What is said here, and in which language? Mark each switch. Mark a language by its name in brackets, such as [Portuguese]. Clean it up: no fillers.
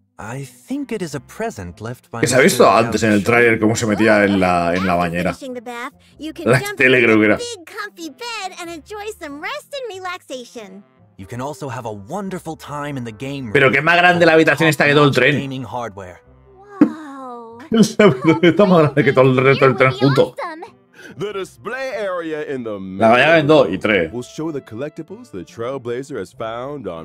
[English] I think it is a present left by. [Spanish] ¿Qué se ha visto antes en el tráiler cómo se metía en la bañera? La tele creo que era. [English] Big comfy bed and enjoy some rest and relaxation. You can also have a wonderful time in the game. [Spanish] Pero qué más grande la habitación está que todo el tren. [English] Wow. [Spanish] Está más grande que todo el resto del tren junto. [English] The display area in the will show the collectibles the Trailblazer has found on.